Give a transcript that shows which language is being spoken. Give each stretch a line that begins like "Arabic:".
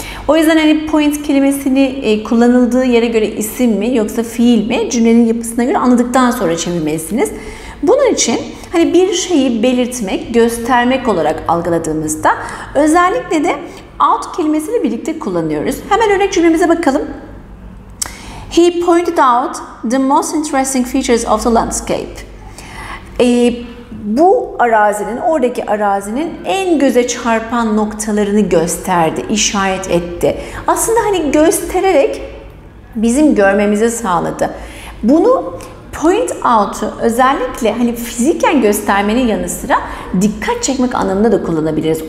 Turkish: O yüzden hani point kelimesini kullanıldığı yere göre isim mi yoksa fiil mi cümlenin yapısına göre anladıktan sonra çevirmelisiniz. Bunun için hani bir şeyi belirtmek, göstermek olarak algıladığımızda özellikle de out kelimesini birlikte kullanıyoruz. Hemen örnek cümlemize bakalım.
English: He pointed out the most interesting features of the landscape.
Turkish: Bu arazinin, oradaki arazinin en göze çarpan noktalarını gösterdi, işaret etti. Aslında hani göstererek bizim görmemizi sağladı. Bunu point out'u özellikle hani fiziken göstermenin yanı sıra dikkat çekmek anlamında da kullanabiliriz.